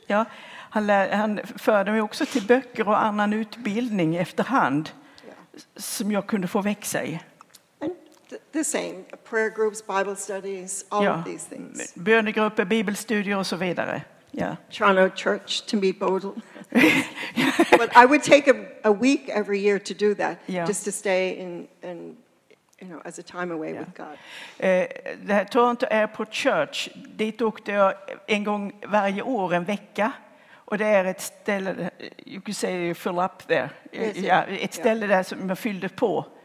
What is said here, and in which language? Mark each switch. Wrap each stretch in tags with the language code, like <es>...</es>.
<sv>Ja, han förde mig också till böcker och annan utbildning efterhand som jag kunde få växa i.</sv> <en>And the same prayer groups, Bible studies, all of these things.</en> <sv>Bönegrupper, bibelstudier och så vidare.</sv> <en>Yeah. Toronto Church to meet Bodil. But I would take a week every year to do that, just to stay in, you know, as a time away with God.</en> <sv>Det här Toronto Airport Church, dit åkte jag en gång varje år en vecka, och det är ett ställe.</sv> <en>You could say you fill up there.</en> <sv>Ett ställe där som jag fyllde på.</sv>